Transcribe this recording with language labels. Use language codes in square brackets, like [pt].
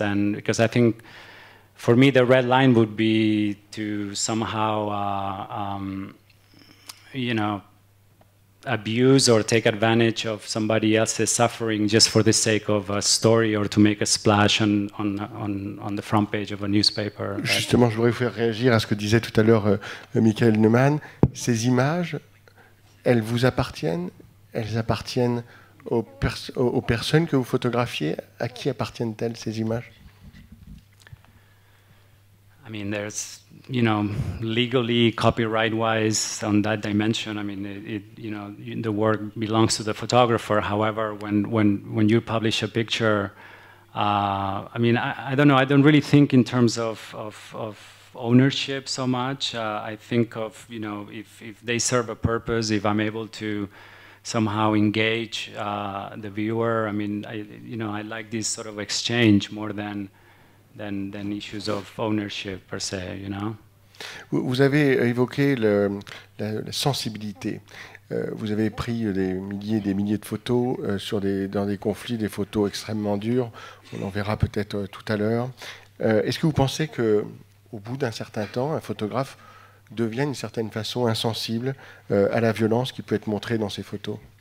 [en] And because I think for me the red line would be to somehow you know, abuse or take advantage of somebody else's suffering just for the sake of a story or to make a splash on the front page of a newspaper. [fr] Justement, je voudrais vous faire réagir à ce que disait tout à l'heure Michael Neumann. Ces images, elles vous appartiennent? Elles appartiennent aux personnes que vous photographiez? À qui appartiennent-elles, ces images? [en] I mean, there's, you know, legally, copyright-wise, on that dimension, I mean, it, you know, the work belongs to the photographer. However, when you publish a picture, I mean, I don't know. I don't really think in terms of ownership so much. I think of, you know, if they serve a purpose, if I'm able to somehow engage the viewer. I mean, I like this sort of exchange more than issues of ownership per se, you know. [fr] Vous avez évoqué la sensibilité. Vous avez pris des milliers de photos dans des conflits, des photos extrêmement dures. On en verra peut-être tout à l'heure. Est-ce que vous pensez que, au bout d'un certain temps, un photographe devient d'une certaine façon insensible à la violence qui peut être montrée dans ces photos?